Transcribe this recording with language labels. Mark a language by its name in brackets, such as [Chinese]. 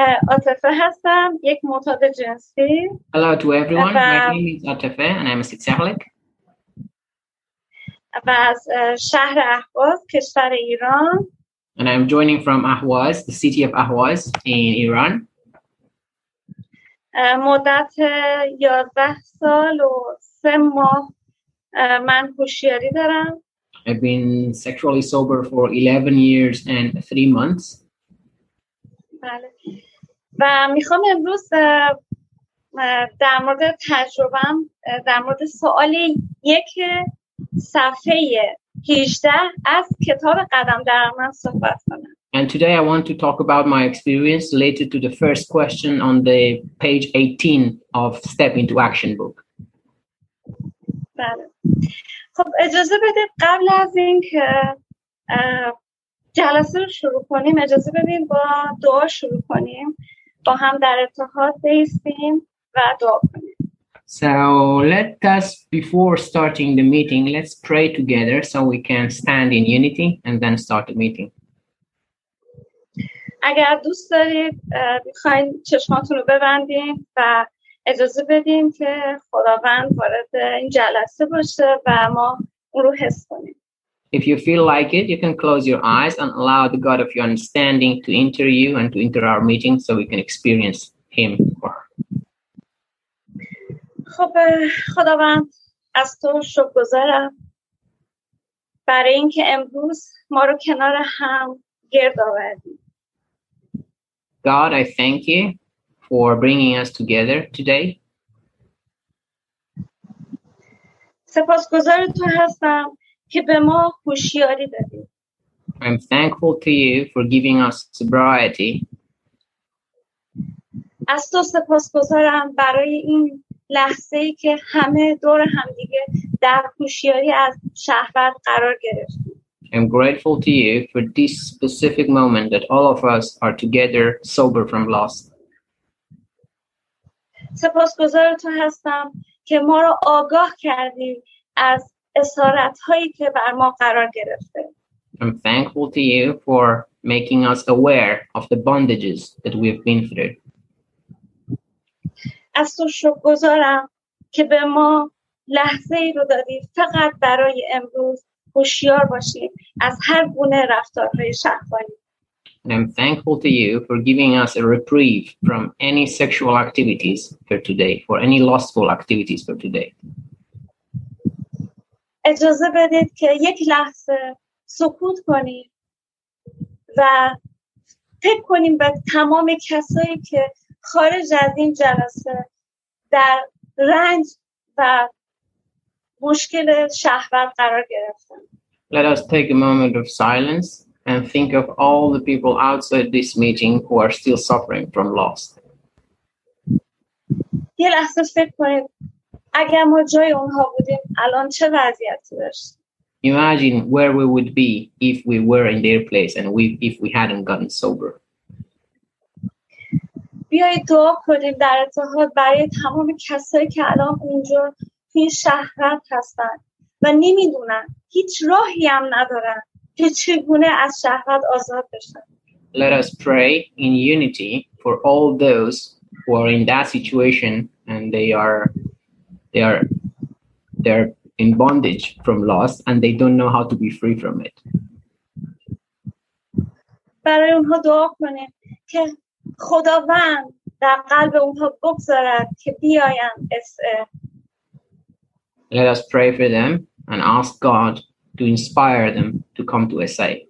[Persian] Atehe هستم، یک معتاد جنسی. [English] Hello to everyone. My name is Atehe and I'm a sexaholic. [Persian] و از شهر اهواز، کشور ایران. [English] And I'm joining from Ahwaz, the city of Ahwaz in Iran. [Persian] مدت 11 سال و 3 ماه من هوشیاری دارم. [English] I've been sexually sober for 11 years and 3 months. [Persian] بله. و میخوام امروز در مورد تجربه‌ام در مورد سوال یک صفحه 18 از کتاب قدم در من صحبت کنم. [English] And today I want to talk about my experience related to the first question on the page 18 of Step into Action book. [Persian] بله. خب اجازه بدید قبل از اینکه جلسه رو شروع کنیم اجازه بدید با دعا شروع کنیم. با هم در اتحاد بیستیم و دعا کنیم. [English] So let us, before starting the meeting, let's pray together so we can stand in unity and then start the meeting. [Persian] اگر دوست دارید بخواید چشماتون رو ببندید و اجازه بدید که خداوند وارد این جلسه باشه و ما اون رو حس کنیم. [English] If you feel like it, you can close your eyes and allow the God of your understanding to enter you and to enter our meeting so we can experience him or her. [Persian] خب خداوند از تو شکرگزارم برای اینکه امروز ما رو کنار هم گرد آوردی. [English] God, I thank you for bringing us together today. [Persian] سپاسگزار تو هستم که به ما هوشیاری دادی. [English] I'm thankful to you for giving us sobriety. [Persian] از تو سپاسگزارم برای این لحظه ای که همه دور هم دیگه در هوشیاری از شهوت قرار گرفتیم. [English] I'm grateful to you for this specific moment that all of us are together sober from lust. [Persian] سپاسگزار تو هستم که ما رو آگاه کردی از اسارت هایی که بر ما قرار گرفته. [English] I'm thankful to you for making us aware of the bondages that we've been through. [Persian] از تو شکرگزارم که به ما لحظه ای رو دادی فقط برای امروز هوشیار باشیم از هر گونه رفتارهای شهوانی. [English] I'm thankful to you for giving us a reprieve from any sexual activities for today, for any lustful activities for today. [Persian] اجازه بدید که یک لحظه سکوت کنیم و فکر کنیم به تمام کسایی که خارج از این جلسه در رنج و مشکل شهوت قرار گرفتن. [English] Let us take a moment of silence and think of all the people outside this meeting who are still suffering from lust. [Persian] یه لحظه فکر کنید اگر ما جای اونها بودیم الان چه وضعیتی داشت. [English] Imagine where we would be if we were in their place and if we hadn't gotten sober. [Persian] بیایید دعا کنیم در اتحاد برای تمام کسایی که الان اونجا توی شهرت هستن و نمیدونن هیچ راهی هم ندارن که چگونه از شهرت آزاد بشن. [English] Let us pray in unity for all those who are in that situation and they are in bondage from lust and they don't know how to be free from it. [Persian] برای اونها دعا کنیم که خداوند در قلب اونها بگذارد که بیاین SA. [English] Let us pray for them and ask God to inspire them to come to SA.